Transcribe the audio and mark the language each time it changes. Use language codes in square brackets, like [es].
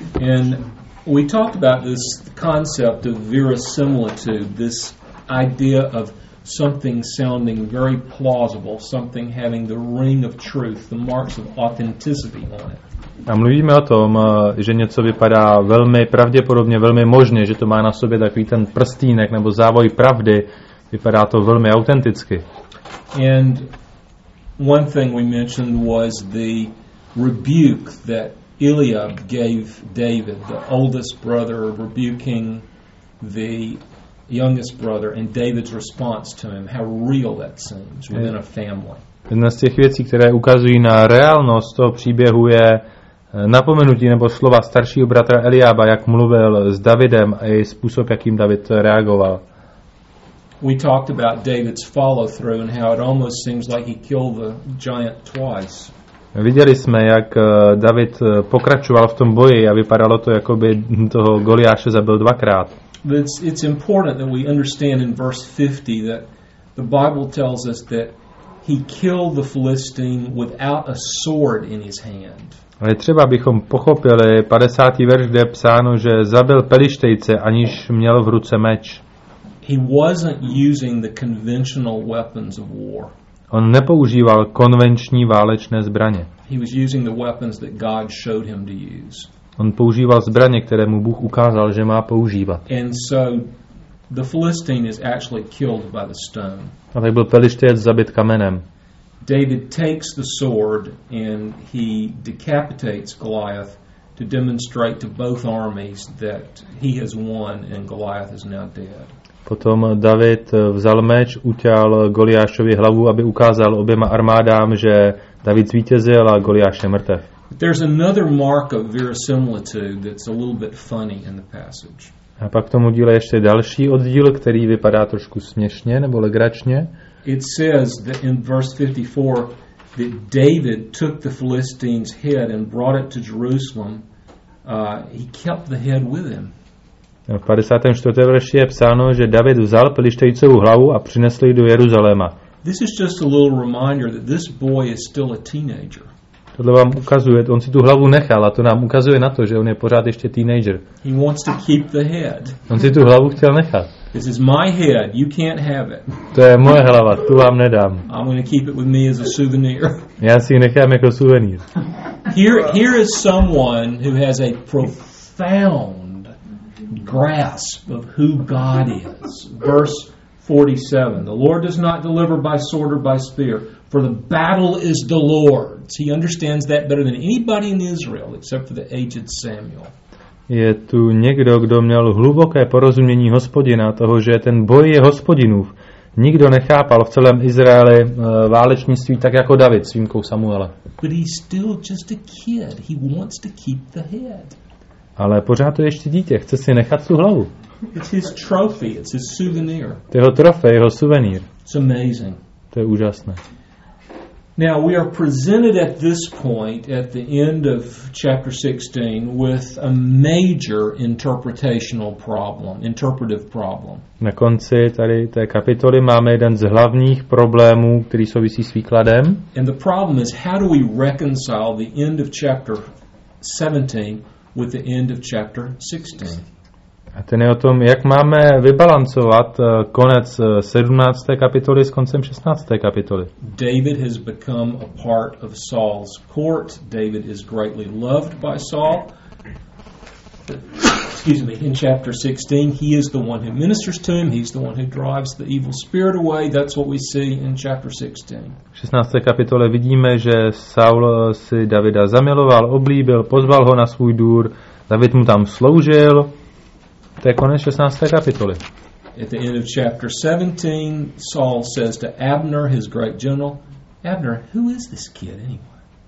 [en] And we talked about this concept of verisimilitude, this idea of something sounding very plausible, something having the ring of truth, the marks of authenticity on it. [cs] A mluvíme o tom, že něco vypadá velmi pravděpodobně, velmi možně, že to má na sobě takový ten prstýnek nebo závoj pravdy, vypadá to velmi autenticky. [en] And one thing we mentioned was the rebuke that Eliab gave David, the oldest brother, rebuking the youngest brother, and David's response to him, how real that seems within a family. [cs] Jedna z těch věcí, které ukazují na reálnost toho příběhu, je napomenutí nebo slova staršího bratra Eliába, jak mluvil s Davidem a její způsob, jakým David reagoval. [en] We talked about David's follow through and how it almost seems like he killed the giant twice. [cs] Viděli jsme, jak David pokračoval v tom boji a vypadalo to, jako by toho Goliáše zabil dvakrát. [en] It's important that we understand in verse 50 that the Bible tells us that he killed the Philistine without a sword in his hand. [cs] Ale třeba bychom pochopili 50. verš, kde je psáno, že zabil Pelištejce, aniž měl v ruce meč. [en] He wasn't using the conventional weapons of war. [cs] On nepoužíval konvenční válečné zbraně. [en] He was using the weapons that God showed him to use. [cs] On používal zbraně, které mu Bůh ukázal, že má používat. [en] And so the Philistine is actually killed by the stone. [cs] A tak byl Pelištejec zabit kamenem. [en] David takes the sword and he decapitates Goliath to demonstrate to both armies that he has won and Goliath is now dead. [cs] Potom David vzal meč, utěl Goliášovi hlavu, aby ukázal oběma armádám, že David zvítězil a Goliáš je mrtev. [en] But there's another mark of verisimilitude that's a little bit funny in the passage. [cs] A pak tomu díle ještě další oddíl, který vypadá trošku směšně nebo legračně. [en] It says that in verse 54 that David took the Philistine's head and brought it to Jerusalem. He kept the head with him. [cs] V 54. verši je psáno, že David vzal Pelištejcovu hlavu a přinesl ji do Jeruzaléma. [en] This is just a little reminder that this boy is still a teenager. [cs] Tohle vám ukazuje, on si tu hlavu nechal a to nám ukazuje na to, že on je pořád ještě teenager. [en] He wants to keep the head. [cs] On si tu hlavu chtěl nechat. [en] This is my head, you can't have it. [cs] To je moje hlava, tu vám nedám. [en] I'm going to keep it with me as a souvenir. [cs] Já si ji nechám jako suvenír. [en] Here is someone who has a profound grasp of who God is. Verse 47. The Lord does not deliver by sword or by spear, for the battle is the Lord's. He understands that better than anybody in Israel, except for the aged Samuel. [cs] Je tu někdo, kdo měl hluboké porozumění Hospodina, toho, že ten boj je Hospodinův. Nikdo nechápal v celém Izraeli válečnictví tak jako David s výjimkou Samuela. [en] But he's still just a kid. He wants to keep the head. [cs] Ale pořád to ještě dítě, chce si nechat tu hlavu. [en] It's his trophy, it's his souvenir. [cs] To jeho trofej, jeho suvenír. [en] It's amazing. [cs] To je úžasné. [en] Now we are presented at this point at the end of chapter 16 with a major interpretive problem. [cs] Na konci tady té kapitoly máme jeden z hlavních problémů, který souvisí s výkladem. [en] And the problem is how do we reconcile the end of chapter 17 with the end of chapter 16. [cs] A ten je o tom, jak máme vybalancovat konec 17. kapitoly s koncem 16. kapitoly. [en] David has become a part of Saul's court. David is greatly loved by Saul. Excuse me, in chapter 16, he is the one who ministers to him. He's the one who drives the evil spirit away. That's what we see in chapter 16. [cs] V 16. kapitole vidíme, že Saul si Davida zamiloval, oblíbil, pozval ho na svůj dvůr. David mu tam sloužil. To je konec 16. kapitoly. [en] At the end of chapter 17, Saul says to Abner, his great general, Abner, who is this kid anyway?